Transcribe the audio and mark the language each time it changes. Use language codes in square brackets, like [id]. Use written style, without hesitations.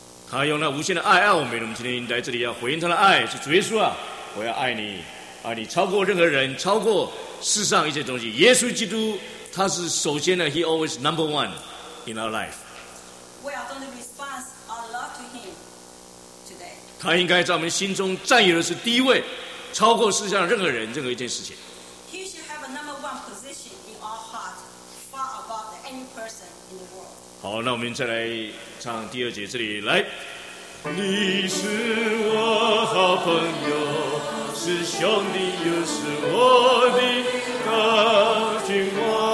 [zh] 他用那无限的爱爱我们，我们今天来这里要回应他的爱，是主耶稣啊，我要爱你，爱你超过任何人，超过世上一切东西，耶稣基督。他是首先的 [en] He always number one in our life. We are going to respond our love to him today. [zh] 他应该在我们心中占有的是第一位，超过世上任何人任何一件事情。 [en] He should have a number one position in our heart, far above any person in the world. [zh] 好，那我们再来唱第二节，这里来。你是我好朋友，是兄弟，又是我的大君王。